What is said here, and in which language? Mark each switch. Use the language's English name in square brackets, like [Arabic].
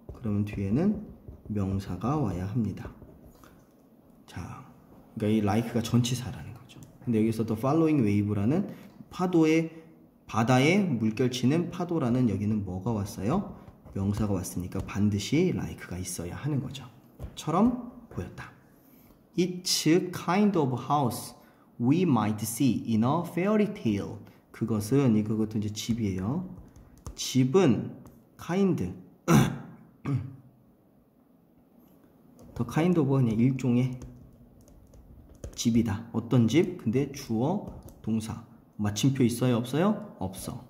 [Korean] 그러면 뒤에는 명사가 와야 합니다. 자, 그러니까 이 like가 전치사라는 거죠. 근데 여기서 the following wave 라는 파도의 바다에 물결치는 파도라는 여기는 뭐가 왔어요? 명사가 왔으니까 반드시 like가 있어야 하는 거죠. 처럼 보였다. [English] It's kind of house we might see in a fairy tale. [Korean] 그것은, 이것도 이제 집이에요. 집은 kind. The kind of 그냥 일종의 집이다. 어떤 집? 근데 주어, 동사. 마침표 있어요? 없어요? 없어.